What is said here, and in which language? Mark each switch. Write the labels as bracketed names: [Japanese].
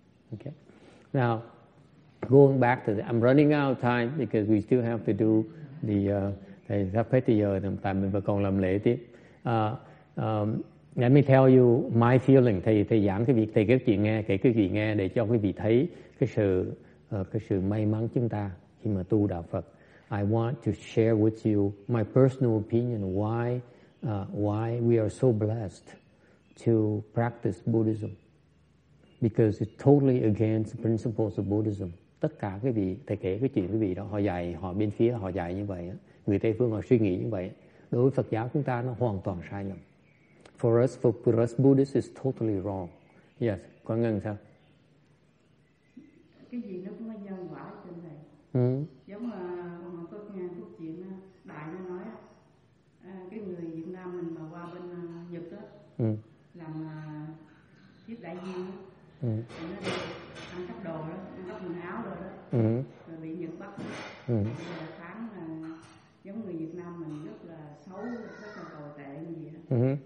[English] Ok, now going back to I'm running out of time because we still have to do the [Vietnamese] thầy sắp hết giờ tại mình vẫn còn làm lễ tiếp. [English] Let me tell you my feeling. [Vietnamese] Thầy giảng cái việc, thầy kể chuyện nghe, kể cái gì nghe để cho quý vị thấy cái sự may mắn chúng ta khi mà tu đạo Phật. [English] I want to share with you my personal opinion why we are so blessed to practice Buddhism, because it's totally against the principles of Buddhism. [Vietnamese] Tất cả cái gì thầy kể cái chuyện cái gì đó, họ dạy như vậy, người Tây phương họ suy nghĩ như vậy, đối với Phật giáo chúng ta nó hoàn toàn sai lầm. [English] For us Buddhists is totally wrong. Yes, Quang Ngân sao? [Vietnamese] Cái gì nó cũng có nhân quả trên này. Giống mà tôi nghe câu chuyện đại nó nói cái người Việt Nam mình mà qua bên Nhật á làm tiếp đại viên ăn cắp đồ đó, ăn cắp quần áo rồi đó, rồi bị Nhật bắt rồi tháng là giống người Việt Nam mình rất là xấu, rất là tồi tệ như vậy.